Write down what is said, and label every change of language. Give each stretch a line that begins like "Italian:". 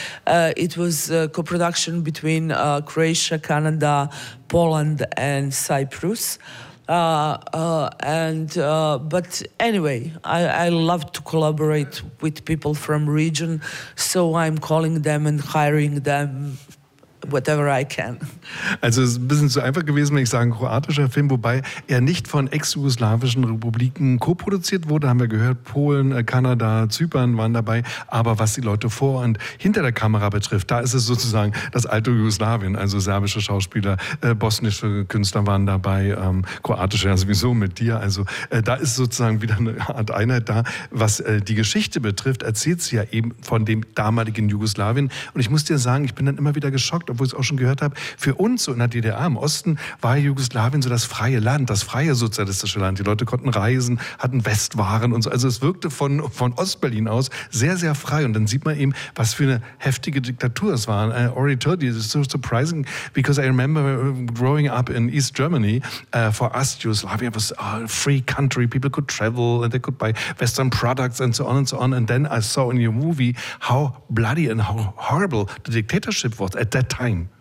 English: It was a co-production between Croatia, Canada, Poland, and Cyprus. But anyway, I love to collaborate with people from region, so I'm calling them and hiring them whatever I can.
German: Also es ist ein bisschen zu einfach gewesen, wenn ich sage, ein kroatischer Film, wobei er nicht von ex-jugoslawischen Republiken koproduziert wurde, haben wir gehört, Polen, Kanada, Zypern waren dabei, aber was die Leute vor und hinter der Kamera betrifft, da ist es sozusagen das alte Jugoslawien, also serbische Schauspieler, bosnische Künstler waren dabei, kroatische ja sowieso mit dir, also da ist sozusagen wieder eine Art Einheit da. Was die Geschichte betrifft, erzählt sie ja eben von dem damaligen Jugoslawien und ich muss dir sagen, ich bin dann immer wieder geschockt, obwohl ich es auch schon gehört habe, für uns in der DDR im Osten war Jugoslawien so das freie Land, das freie sozialistische Land. Die Leute konnten reisen, hatten Westwaren und so. Also es wirkte von Ostberlin aus sehr, sehr frei. Und dann sieht man eben, was für eine heftige Diktatur es war.
English: I already told you, it's so surprising, because I remember growing up in East Germany, for us, Jugoslavia was a free country. People could travel and they could buy Western products and so on and so on. And then I saw in your movie how bloody and how horrible the dictatorship was at that time.